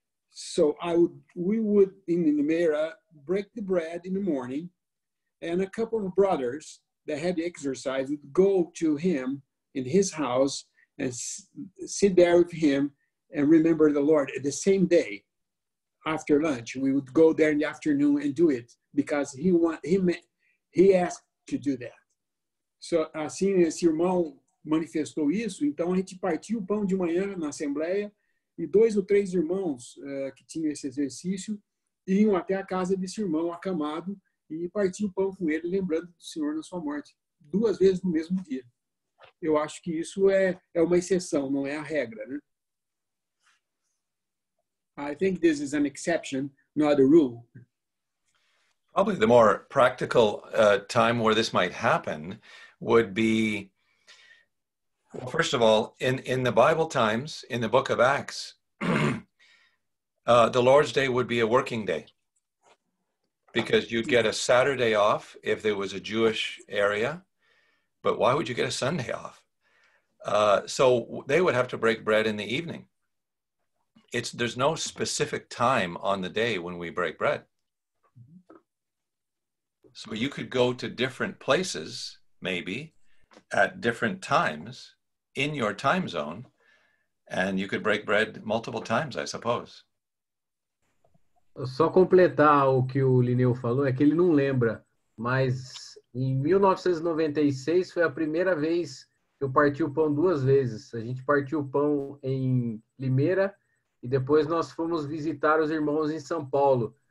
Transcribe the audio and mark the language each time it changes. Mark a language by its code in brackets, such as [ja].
[en] So we would in the Mira break the bread in the morning, and a couple of brothers that had the exercise would go to him in his house and sit there with him and remember the Lord. The same day after lunch, we would go there in the afternoon and do it because he asked to do that. [pt] So assim esse irmão manifestou isso, então a gente partiu o pão de manhã na assembleia. E dois ou três irmãos que tinham esse exercício iam até a casa desse irmão acamado e partir o pão com ele, lembrando do Senhor na sua morte, duas vezes no mesmo dia. Eu acho que isso é uma exceção, não é a regra, né? [en] I think this is an exception, not a rule. Probably the more practical time where this might happen would be, well, first of all, in the Bible times, in the book of Acts, the Lord's Day would be a working day because you'd get a Saturday off if there was a Jewish area, but why would you get a Sunday off? So they would have to break bread in the evening. There's no specific time on the day when we break bread. So you could go to different places, maybe, at different times in your time zone, and you could break bread multiple times, I suppose. [pt] Só completar o que o Lineu falou, é que ele não lembra, mas em 1996 foi a primeira vez que eu parti o pão duas vezes. A gente partiu o pão em Limeira, e depois nós fomos visitar os irmãos em São Paulo.